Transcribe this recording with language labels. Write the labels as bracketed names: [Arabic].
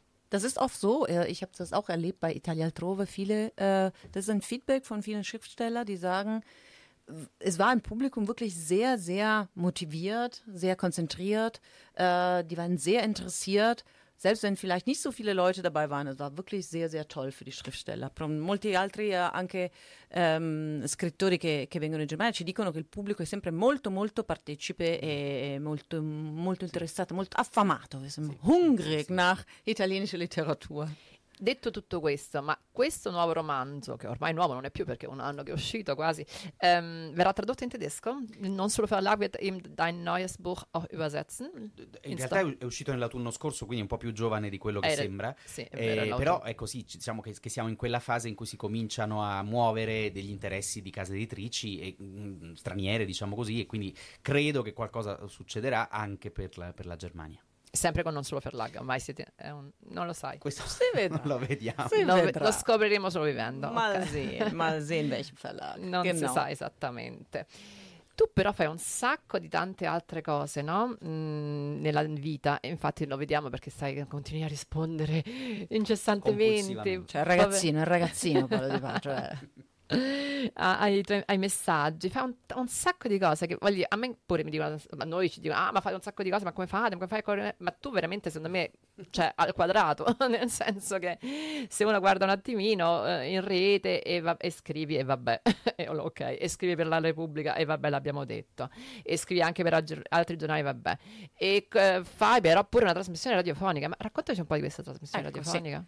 [German] Das ist oft so, ich habe das auch erlebt bei Italia Altrove, das ist ein Feedback von vielen Schriftstellern, die sagen, es war im Publikum wirklich sehr, sehr motiviert, sehr konzentriert. Die waren sehr interessiert, selbst wenn vielleicht nicht so viele Leute dabei waren. Es war wirklich sehr, sehr toll für die Schriftsteller. [Italian] Per molti altri anche scrittori che vengono in Germania ci dicono che il pubblico è sempre molto, molto partecipe e molto, molto interessato, molto affamato, [German] hungrig nach italienischer Literatur. [Italian] Detto tutto questo, ma questo nuovo romanzo, che ormai nuovo non è più perché è un anno che è uscito quasi, verrà tradotto in tedesco? [German] Non solo Verlag wird ihm dein neues Buch auch übersetzen? [Italian] In realtà è uscito nell'autunno scorso, quindi è un po' più giovane di quello che sembra. Sì, però è così, diciamo che siamo in quella fase in cui si cominciano a muovere degli interessi di case editrici e, straniere, diciamo così, e quindi credo che qualcosa succederà anche per la Germania. Sempre con Non Solo Verlag, ormai siete, non lo sai. Questo si vedrà. Lo vediamo. Lo scopriremo solo vivendo. [German] Mal sehen, mal sehen welchen Verlag. [Italian] Non [German] genau. [Italian] Si sa esattamente. Tu però fai un sacco di tante altre cose, no? Nella vita, infatti lo vediamo perché sai che continui a rispondere incessantemente. Cioè il ragazzino quello di faccio, cioè. Ai messaggi, fa un sacco di cose che voglio, a me pure mi dicono, ma noi ci dicono, ah, ma fai un sacco di cose, ma come fai, ma tu veramente, secondo me, cioè al quadrato, nel senso che se uno guarda un attimino in rete e scrivi e vabbè, ok, e scrivi per la Repubblica e vabbè, l'abbiamo detto, e scrivi anche per altri giornali, vabbè, e fai però pure una trasmissione radiofonica, ma raccontaci un po' di questa trasmissione radiofonica.